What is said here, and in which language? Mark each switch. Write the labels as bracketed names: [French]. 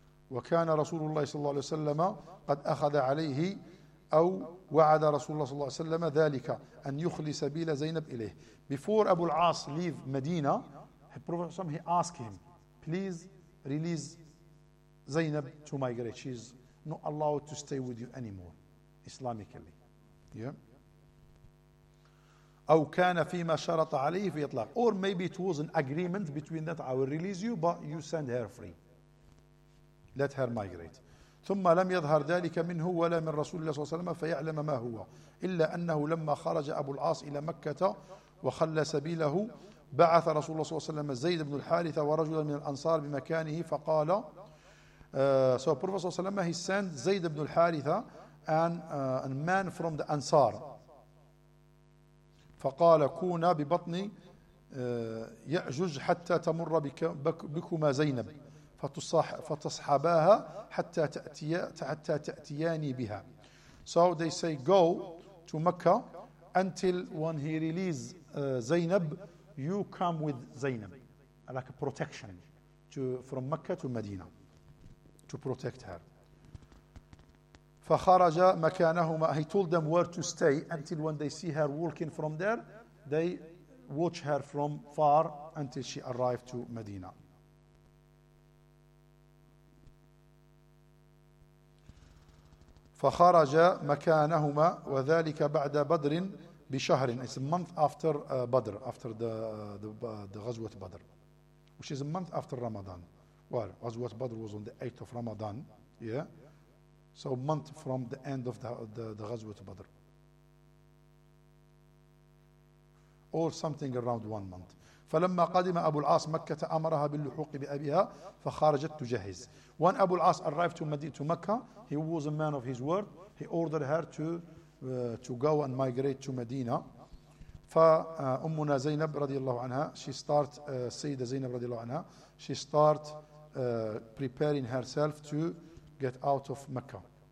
[Arabic] وكان رسول الله صلى الله عليه وسلم قد أخذ عليه أو وعد رسول الله صلى الله عليه وسلم ذلك أن يخلي سبيل زينب إليه. [English] Before Abu al-As leave Medina, the Prophet ﷺ, he asked him, please release Zainab to migrate. She's not allowed to stay with you anymore, Islamically. Yeah. [Arabic] أو كان فيما شرط عليه في إطلاق. [English] Or maybe it was an agreement between that I will release you, but you send her free. Let her migrate. [Arabic] ثم لم يظهر ذلك منه ولا من رسول الله صلى الله عليه وسلم فيعلم ما هو. إلا أنه لما خرج أبو العاص إلى مكة وخلى سبيله بعث رسول الله صلى الله عليه وسلم زيد بن الحارثة ورجلا من الأنصار بمكانه فقال [English] so Prophet صلى الله عليه وسلم he sent زيد بن الحارثة and a man from the Ansar. [Arabic] فقال كونا ببطني يأجج حتى تمر بكما زينب فتصحباها حتى تأتياني بها. [English] So they say go to Mecca until when he release Zainab, you come with Zainab like a protection to from Mecca to Medina to protect her. [Arabic] فخرج مكانهما. [English] He told them where to stay until when they see her walking from there, they watch her from far until she arrived to Medina. [Arabic] فخرج مكانهما وذلك بعد بدر بشهر. [English] It's a month after Badr, after the Ghazwat Badr, which is a month after Ramadan. Well, Ghazwat Badr was on the 8th of Ramadan, yeah. So month from the end of the Ghazwat Badr, or something around 1 month. [Arabic] فلما قدم أبو العاص مكة أمرها باللحوق بأبيها فخرجت تجهز. [English] When Abu al-As arrived to Mecca, he was a man of his word. He ordered her to go and migrate to Medina. [Arabic] فأمنا زينب رضي الله عنها, [English] سيدة زينب رضي الله عنها, she start preparing herself to get out of Mecca.